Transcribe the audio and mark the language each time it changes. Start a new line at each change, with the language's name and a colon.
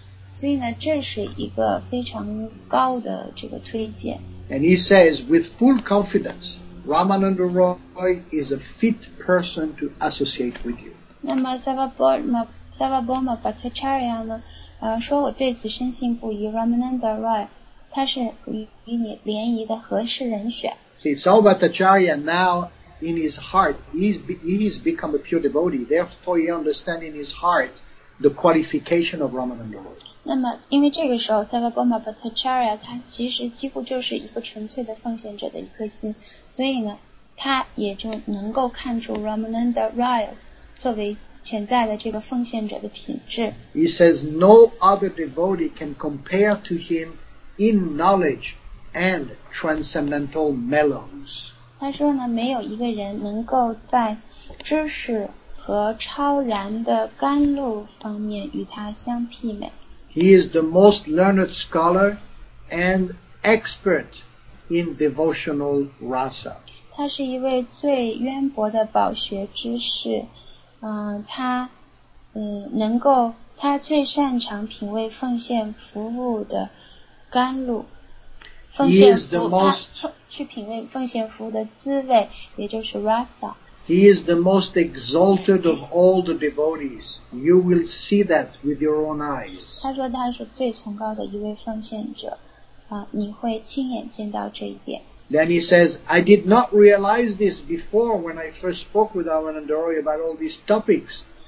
Chinese: 所以呢，这是一个非常高的这个推荐。
English: And he says with full confidence, Ramananda Roy is a fit person to associate with you。
Chinese: 那么 Sarvabhauma Bhattacharya 呢，说我对此深信不疑， Ramananda Roy 他是 与你联谊的合适人选。
English: See, Sarvabhauma Bhattacharya now in his heart, he's become a pure devotee, therefore he understands in his heart the qualification of Ramananda Roy。
Chinese: 那么因为这个时候 Sarvabhauma Bhattacharya 他其实几乎就是一个纯粹的奉献者的一颗心，所以呢他也就能够看出 Ramananda Roy作为潜在的这个奉献者的品质。
English: He says no other devotee can compare to him in knowledge and transcendental mellows。
Chinese: 他说呢，没有一个人能够在知识和超然的甘露方面与他相媲美。
English: He is the most learned scholar and expert in devotional rasa。
Chinese: 他是一位最渊博的饱学之士，他能够，他最擅长品味奉献服务的甘露，奉献服务去品味奉献服务的滋味，也就是 rasa。
English: He is the most exalted of all the devotees. You will see that with your own eyes.
Chinese: 他说他是最崇高的一位奉献者，你会亲眼见到这一点。
English: Then he says, I did not realize this before when I first spoke with Ramananda Roy about all these topics.